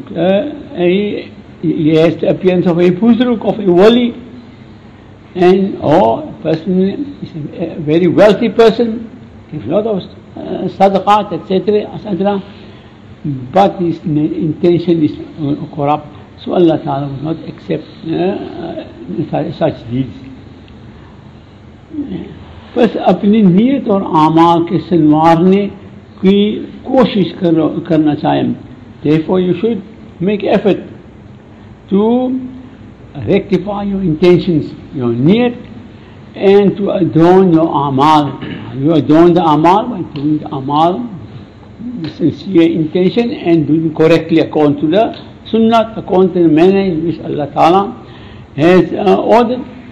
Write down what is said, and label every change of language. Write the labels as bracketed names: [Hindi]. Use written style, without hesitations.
[English] He has the appearance of a buzruk, of a wali, and or a person is a very wealthy person, gives a lot of sadaqat, etc. But his intention is corrupt. So Allah Ta'ala will not accept such deeds. [Urdu] بس اپنی نیت اور اعمال کے سنوارنے کی کوشش کرنا چاہے. [English] Therefore you should make effort to rectify your intentions, your نیت, and to adorn your اعمال. You adorn the اعمال by doing the اعمال with sincere intention and doing correctly according to the sunnah, according to the manner in which Allah Ta'ala has ordered.